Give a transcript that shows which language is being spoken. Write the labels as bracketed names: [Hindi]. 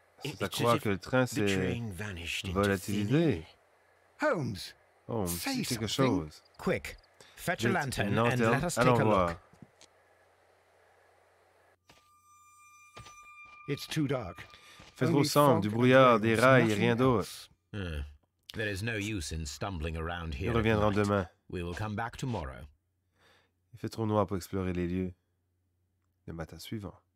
[French] C'est à croire que le train s'est volatilisé. Holmes, say quelque chose. [English] Quick, fetch a lantern and let us take a look. It's too dark. [French] Fait trop sombre, du brouillard, des rails, rien d'autre. [English] There is no use in stumbling around here. [French] Nous reviendrons demain. [English] We will come back tomorrow. [French] Il fait trop noir pour explorer les lieux. Le matin suivant.